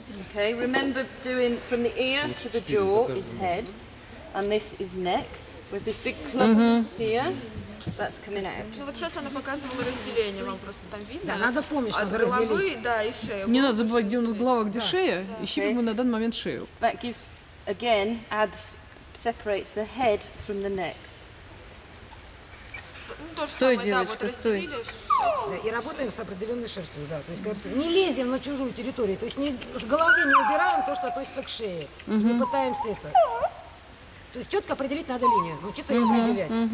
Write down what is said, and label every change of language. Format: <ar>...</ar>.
<en>Okay, remember doing from the ear to the jaw is head, and this is neck, with this big clump here. That's coming out.</en> <ru>Ну вот сейчас она показывала разделение, вам просто там видно. Да, надо помнить, что от головы, да, и шею. Не надо забывать, где у нас голова, где шея. Ищем мы на данный момент шею.</ru> <en>That gives, again, adds, separates the head from the neck.</en> <ru>Стой, девочка, стой. Да, и работаем с определенной шерстью, да. То есть, как не лезем на чужую территорию. То есть не, с головы не убираем то, что относится к шее. Не пытаемся это. То есть четко определить надо линию. Научиться ее определять.</ru>